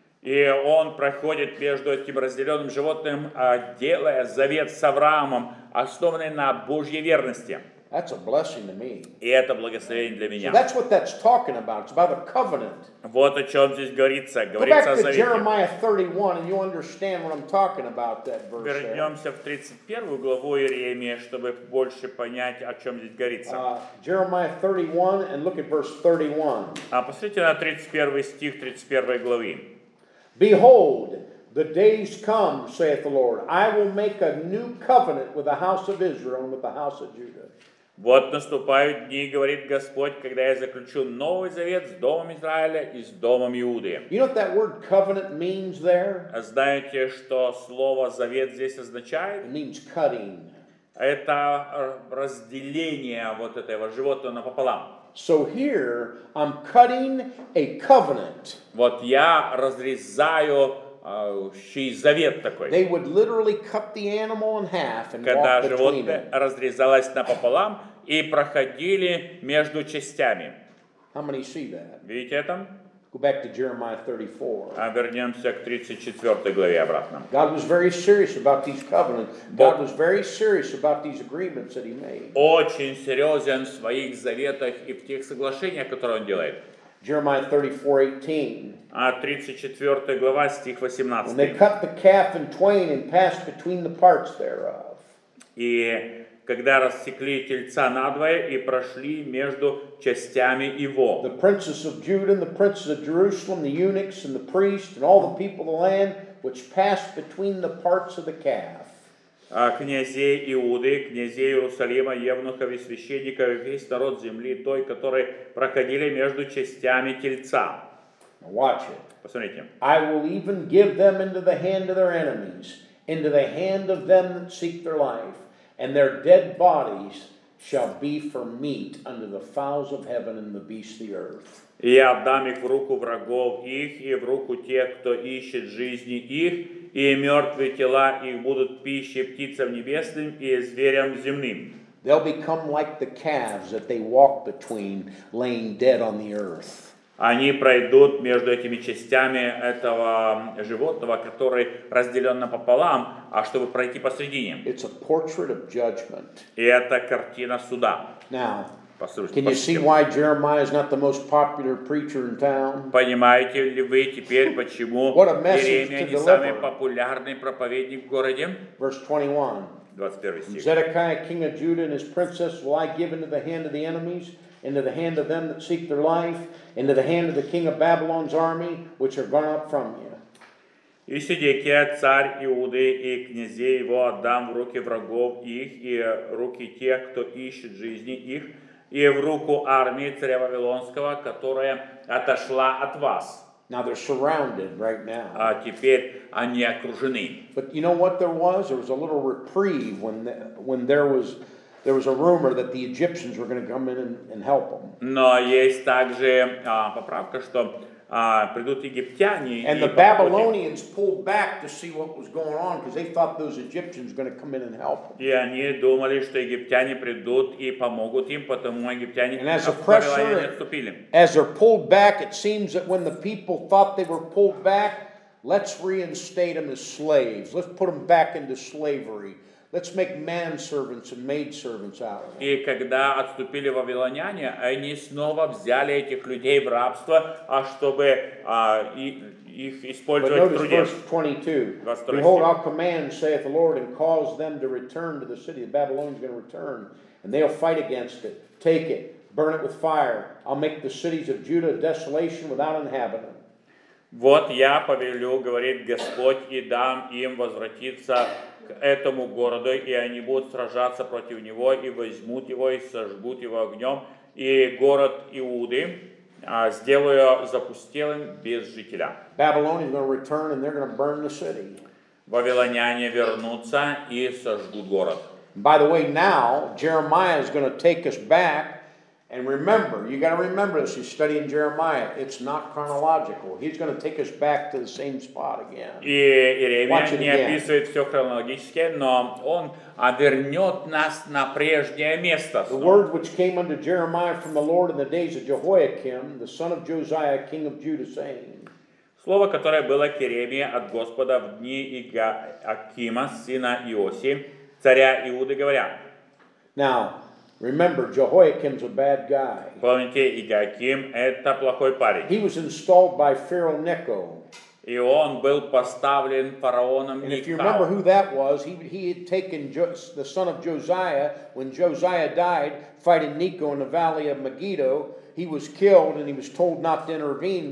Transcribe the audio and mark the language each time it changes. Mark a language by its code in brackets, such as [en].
[ru] И он проходит между этим разделенным животным, делая завет с Авраамом, основанный на Божьей верности. [en] That's a blessing to me. [ru] И это благословение для меня. [en] So that's what that's talking about. It's about a covenant. [ru] Вот о чем здесь говорится. Говорится о завете. [en] Go back to Jeremiah 31 and you'll understand what I'm talking about, that verse. [ru] Вернемся в 31 главу Иеремии, чтобы больше понять, о чем здесь говорится. [en] Jeremiah 31 and look at verse 31. [ru] А посмотрите на 31 стих 31 главы. [en] Behold, the days come, saith the Lord, I will make a new covenant with the house of Israel and with the house of Judah. [ru] Вот наступают дни, говорит Господь, когда я заключу новый завет с домом Израиля и с домом Иуды. [en] You know what that word covenant means there? [ru] Знаете, что слово завет здесь означает? [en] It means cutting. [ru] Это разделение вот этого животного напополам. [en] So here I'm cutting a covenant. [ru] Вот я разрезаю завет такой. [en] They would literally cut the animal in half and [ru] когда [en] walk [ru] животное [en] between [ru] разрезалось напополам и проходили между частями. [en] How many see that? [ru] Видите это? [en] Go back to Jeremiah 34. [ru] А вернемся к 34 главе обратно. [en] God was very serious about these covenants. God was very serious about these agreements that he made. [ru] Очень серьезен в своих заветах и в тех соглашениях, которые он делает. [en] Jeremiah 34:18. [ru] А 34 глава, стих 18. [en] When they cut the calf in twain and passed between the parts thereof. [ru] И когда рассекли тельца надвое и прошли между частями его. [en] The princes of Judah and the princes of Jerusalem, the eunuchs and the priests and all the people of the land which passed between the parts of the calf. [ru] Князей Иуды, князей Иерусалима, евнухов и священников, и весь народ земли той, которые проходили между частями тельца. [en] Watch it. [ru] Посмотрите. [en] I will even give them into the hand of their enemies, into the hand of them that seek their life, and their dead bodies shall be for meat unto the fowls of heaven and the beasts of the earth. [ru] И я отдам их в руку врагов их и в руку тех, кто ищет жизни их, и мертвые тела их будут пищей птицам небесным и зверям земным. [en] They'll become like the calves that they walk between, laying dead on the earth. [ru] Они пройдут между этими частями этого животного, который разделен напополам, а чтобы пройти посредине. [en] It's a portrait of judgment. [ru] И это картина суда. [en] Now, [ru] послушайте, [en] can you see why Jeremiah is not the most popular preacher in town? [ru] Понимаете ли вы теперь, почему Иеремия не самый популярный проповедник в городе? [en] Verse 21. [ru] 21 стих. [en] Zedekiah, king of Judah, and his princess will I give into the hand of the enemies, into the hand of them that seek their life, into the hand of the king of Babylon's army, which are gone up from you. [ru] И Сидекия, царь Иуды, и князей его отдам в руки врагов их, и руки тех, кто ищет жизни их, и в руку армии царя Вавилонского, которая отошла от вас. [en] Now they're surrounded right now. [ru] А теперь они окружены. [en] But you know what there was? There was a little reprieve when there was a rumor that the Egyptians were going to come in and help them. [ru] Но есть также поправка, что придут египтяне. [en] And the Babylonians pulled back to see what was going on because they thought those Egyptians were going to come in and help them. [ru] И они думали, что египтяне придут и помогут им, потому египтяне отступили. [en] As they're pulled back, it seems that when the people thought they were pulled back, let's reinstate them as slaves. Let's put them back into slavery. Let's make manservants and maidservants out of them. [ru] И когда отступили вавилоняне, они снова взяли этих людей в рабство, а чтобы их использовать в труде. [en] But notice verse 22. Behold, I'll command, saith the Lord, and cause them to return to the city. The Babylonians are going to return, and they'll fight against it. Take it, burn it with fire. I'll make the cities of Judah a desolation without inhabitant. [ru] Вот я повелю, говорит Господь, и дам им возвратиться к этому городу, и они будут сражаться против него, и возьмут его, и сожгут его огнем, и город Иуды сделаю запустелым без жителя. [en] Babylonians are going to return and they're going to burn the city. [ru] Вавилоняне вернутся и сожгут город. [en] By the way, now Jeremiah is going to take us back. And remember, you got to remember this, you're studying Jeremiah, it's not chronological. He's going to take us back to the same spot again. [ru] И Иеремия не описывает все хронологически, но он вернет нас на прежнее место. [en] The word which came unto Jeremiah from the Lord in the days of Jehoiakim, the son of Josiah, king of Judah, saying. [ru] Слово, которое было к Иеремии от Господа в дни Иоакима, сына Иоси, царя Иуды, говоря. [en] Now, remember, Jehoiakim's a bad guy. [ru] Помните, Иоаким – это плохой парень. [en] He was installed by Pharaoh Necho. [ru] И он был поставлен фараоном Нехо. [en] And if you remember who that was, he had taken the son of Josiah when Josiah died fighting Necho in the valley of Megiddo. He was killed and he was told not to intervene.